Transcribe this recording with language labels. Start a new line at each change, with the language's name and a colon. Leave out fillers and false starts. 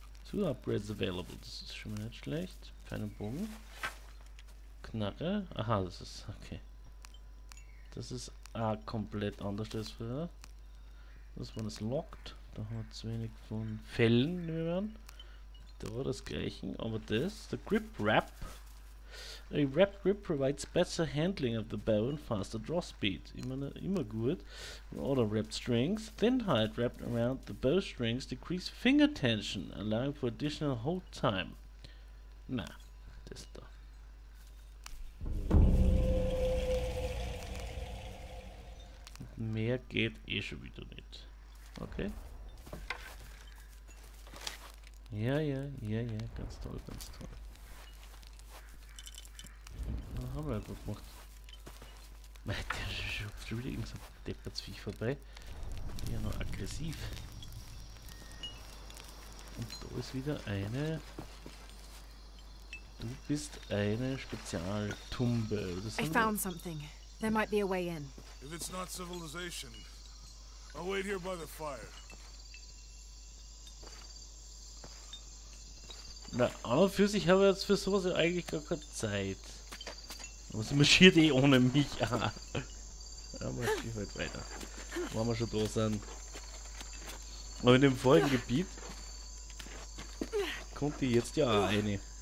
English: 2 upgrades available,
German: das ist schon mal nicht schlecht. Keine Bogen. Knarre, aha, das ist okay. Das ist auch komplett anders als früher. Das war das Locked. Da haben wir zu wenig von Fällen, nehmen wir an. Da war das gleiche. Aber das, der Grip Wrap.
English: A Wrap Grip provides better handling of the bow and faster draw speed.
German: Immer gut. Oder
English: Wrapped Strings. Thin hide wrapped around the bow strings decrease finger tension, allowing for additional hold time.
German: Na, das da. Mehr geht eh schon wieder nicht. Okay. Ja, ganz toll, ganz toll. Was haben wir einfach gemacht? Mei, der ist schon wieder irgend so ein Deppertsviech vorbei. Ja, noch aggressiv. Und da ist wieder eine. Du bist eine Spezialtumbe. Ich habe etwas gefunden.
English: There might be a way in. If it's not civilization, I'll wait here by the fire.
German: Na, an und für sich habe ich jetzt für sowas ja eigentlich gar keine Zeit. Aber sie marschiert eh ohne mich. Ja, marschiert halt weiter. Wollen wir schon da sein. Aber in dem vorigen Gebiet kommt die jetzt ja auch rein.